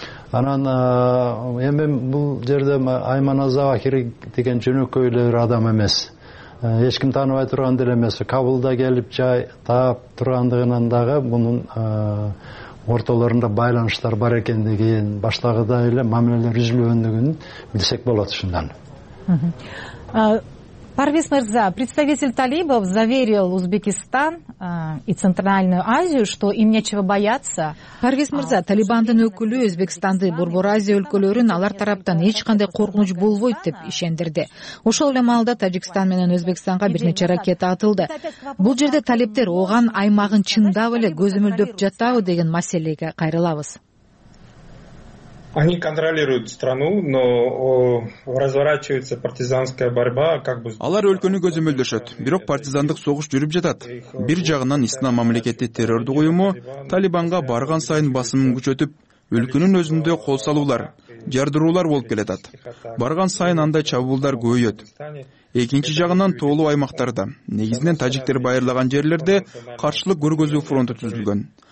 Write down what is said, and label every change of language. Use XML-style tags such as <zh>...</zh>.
<ky>Анан эми бул жерде Айман Азавахири деген жөнөкөй эле бир адам эмес, эч ким тааныбай турган деле эмес. Кабулда келип жай таап тургандыгынан дагы мунун ортолорунда байланыштар бар экендигин, баштагыдай эле мамилелер үзүлгөндүгүн билсек болот ушундан.</ky> <ru>Парвиз мырза, представитель талибов заверил Узбекистан и Центральную Азию, что им нечего бояться.</ru> <ky>Парвиз мырза, талибандын өкүлү Өзбекстанды, Борбор Азия өлкөлөрүн алар тараптан эч кандай коркунуч болбойт деп ишендирди. Ошол эле маалда Тажикстан менен Өзбекстанга бир нече ракета атылды. Бул жерде талиптер Ооган аймагын чындап эле көзөмөлдөп жатабы деген маселеге кайрылабыз.</ky> <ru>Они контролируют страну, но разворачивается партизанская борьба, как бы.</ru> <ky>Алар өлкөнү көзөмөлдөшөт, бирок партизандык согуш жүрүп жатат. Бир жагынан Ислам мамлекети террордук уюму Талибанга барган сайын басымын күчөтүп, өлкөнүн өзүндө кол салуулар, жардыруулар болуп келатат. Барган сайын андай чабуулдар көбөйөт. Экинчи жагынан тоолуу аймактарда, негизинен тажиктер байырлаган жерлерде каршылык көргөзүү фронту түзүлгөн.</ky>